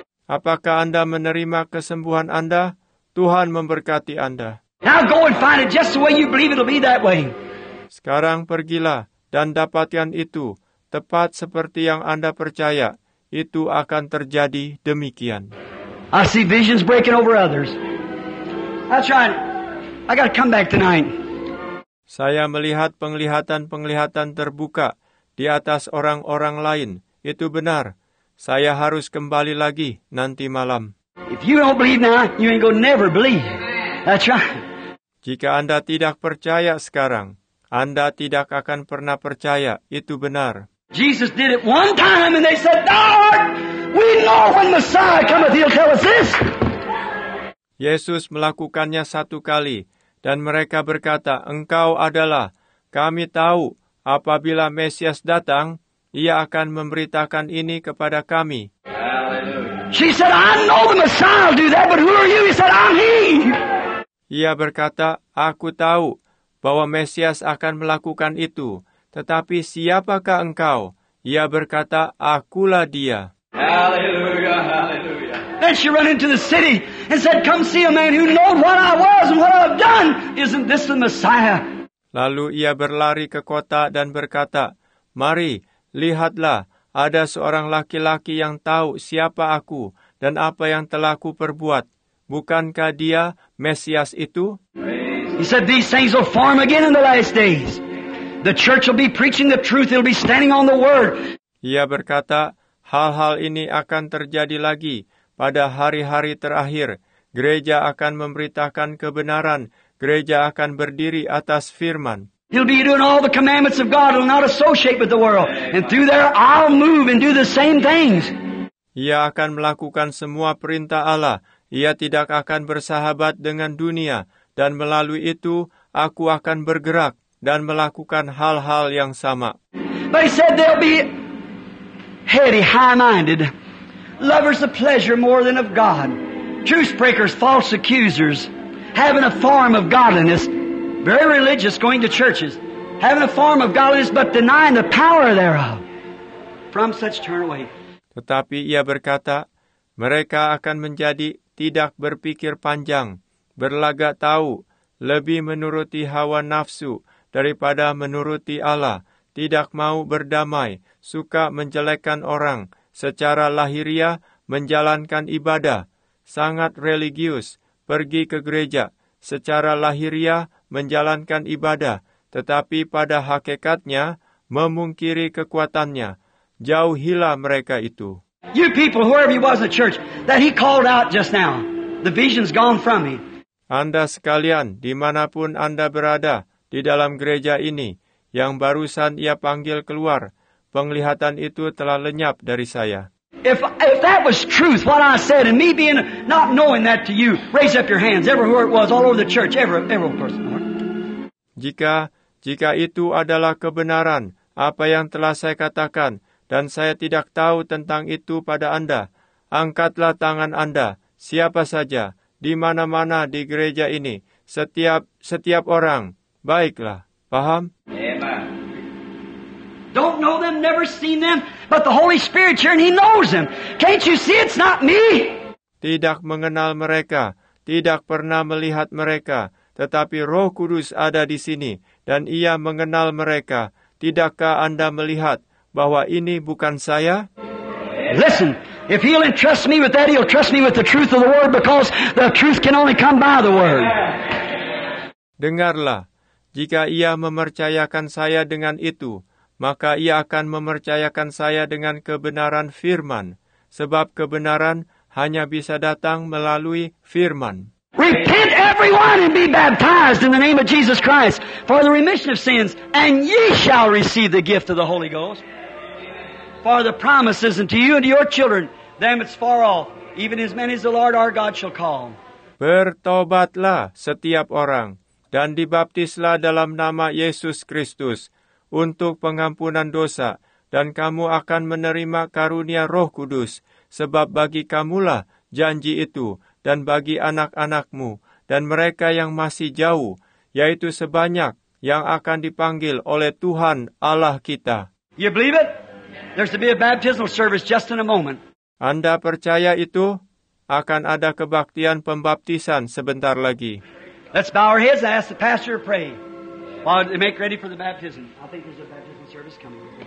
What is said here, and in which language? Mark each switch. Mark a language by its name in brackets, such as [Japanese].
[Indonesian] Apakah Anda menerima kesembuhan Anda? Tuhan memberkati Anda. [English] Now go and find it just the way you believe it'll be that way. [Indonesian] Sekarang pergilah dan dapatkan itu tepat seperti yang Anda percaya. Itu akan terjadi demikian. [English] I see visions breaking over others. That's right. I got to come back tonight. [Indonesian] Saya melihat penglihatan-penglihatan terbuka di atas orang-orang lain. Itu benar. Saya harus kembali lagi nanti malam. [English] If you don't believe now, you ain't gonna never believe. That's right. [Indonesian] Jika Anda tidak percaya sekarang, Anda tidak akan pernah percaya. Itu benar. [English] Jesus did it one time and they said, "Lord, we know when Messiah cometh, he'll tell us this." [Indonesian] Yesus melakukannya satu kali dan mereka berkata, "Engkau adalah, kami tahu apabila Mesias datang, ia akan memberitakan ini kepada kami." [English] She said, "I know the Messiah will do that, but who are you?" He said, "I'm he." [Indonesian] Ia berkata, "Aku tahu bahwa Mesias akan melakukan itu, tetapi siapakah engkau?" Ia berkata, "Akulah dia." [English] Hallelujah, hallelujah. Then she ran into the city and said, "Come see a man who knows what I was and what I've done. Isn't this the Messiah?" [Indonesian] Lalu ia berlari ke kota dan berkata, "Mari, lihatlah, ada seorang laki-laki yang tahu siapa aku dan apa yang telah ku perbuat. Bukankah dia Mesias itu?" [English] He said, "These things will form again in the last days. The church will be preaching the truth. It'll be standing on the word." [Indonesian] Ia berkata, "Hal-hal ini akan terjadi lagi pada hari-hari terakhir. Gereja akan memberitakan kebenaran. Gereja akan berdiri atas firman." [English] He'll be doing all the commandments of God. He'll not associate with the world. And through there, I'll move and do the same things. [Indonesian] Ia akan melakukan semua perintah Allah. Ia tidak akan bersahabat dengan dunia. Dan melalui itu, aku akan bergerak dan melakukan hal-hal yang sama. [English] But he said they'll be heady, high-minded, lovers of pleasure more than of God, truth-breakers, false accusers, having a form of godliness, very religious, going to churches, having a form of godliness, but denying the power thereof. From such turn away. [Indonesian] Tetapi ia berkata, mereka akan menjadi tidak berpikir panjang, berlagak tahu, lebih menuruti hawa nafsu daripada menuruti Allah, tidak mau berdamai, suka menjelekkan orang, secara lahiriah menjalankan ibadah, sangat religius, pergi ke gereja, secara lahiriah menjalankan ibadah, tetapi pada hakikatnya memungkiri kekuatannya. Jauhilah mereka itu. [English] You people, whoever you was in the church that he called out just now, the vision's gone from me. [Indonesian] Anda sekalian, dimanapun Anda berada di dalam gereja ini, yang barusan ia panggil keluar, penglihatan itu telah lenyap dari saya. If that was truth, what I said, and me being not knowing that to you, raise up your hands, everywhere it was, all over the church, every person. Jika itu adalah kebenaran, apa yang telah saya katakan, dan saya tidak tahu tentang itu pada Anda, angkatlah tangan Anda, siapa saja, di mana-mana di gereja ini, setiap orang. Baiklah, paham? [English] Don't know them, never seen them, but the Holy Spirit here and he knows them. Can't you see it's not me? [Indonesian] Tidak mengenal mereka, tidak pernah melihat mereka, tetapi Roh Kudus ada di sini dan ia mengenal mereka. Tidakkah Anda melihat bahwa ini bukan saya? [English] Listen, if he'll entrust me with that, he'll trust me with the truth of the word, because the truth can only come by the word. [Indonesian] Dengarlah, jika ia memercayakan saya dengan itu, maka ia akan memercayakan saya dengan kebenaran firman, sebab kebenaran hanya bisa datang melalui firman. [English] Repent everyone and be baptized in the name of Jesus Christ for the remission of sins, and ye shall receive the gift of the Holy Ghost. For the promise is unto you and to your children, them it's far off, even as many as the Lord our God shall call. [Indonesian] Bertobatlah setiap orang, dan dibaptislah dalam nama Yesus Kristus untuk pengampunan dosa, dan kamu akan menerima karunia Roh Kudus, sebab bagi kamulah janji itu, dan bagi anak-anakmu, dan mereka yang masih jauh, yaitu sebanyak yang akan dipanggil oleh Tuhan Allah kita. [English] You believe it? There's to be a baptismal service just in a moment. [Indonesian] Anda percaya itu? Akan ada kebaktian pembaptisan sebentar lagi. [English] Let's bow our heads and ask the pastor to pray while they make ready for the baptism. I think there's a baptism service coming.